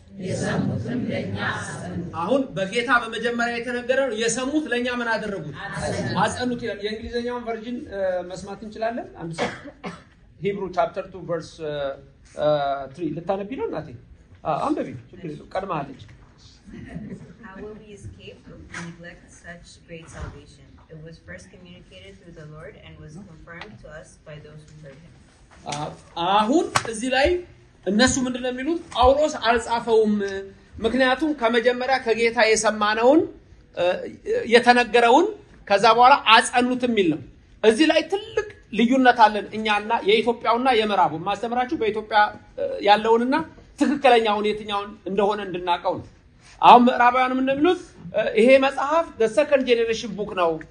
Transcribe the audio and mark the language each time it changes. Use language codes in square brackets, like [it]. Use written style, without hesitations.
[am] የሰሙትም ለኛ አሰሙ አሁን በጌታ በመጀመሪያ የተነገረ ነው የሰሙት ለኛ ምን አደረጉት አጸኑት ይላል የእንግሊዘኛውን ቨርዥን መስማት እንችላለን አንድ ሰው ሂብሩ ቻፕተር 2 ቨርስ 3 ለታነብ ይላል ናቲ አንብቢ ችግር የለውም ቀድማ አለች [en] How will we escape and neglect such great salvation? It was first communicated through the Lord and was confirmed to us by those who heard him. [am] አሁን እዚህ ላይ እነሱ ምንድን ነው የሚሉት? ጳውሎስ አልጻፈውም ምክንያቱም ከመጀመሪያ ከጌታ የሰማነውን የተነገረውን ከዛ በኋላ አጸኑት የሚል ነው። እዚህ ላይ ትልቅ ልዩነት አለን እኛና የኢትዮጵያውና የመራቡ ማስተምራችሁ በኢትዮጵያ ያለውንና ትክክለኛውን የትኛውን እንደሆነ እንድናቀው ነው። አሁን ምዕራባውያን ምን እንደሚሉት ይሄ መጽሐፍ [en] the second generation book [am] ነው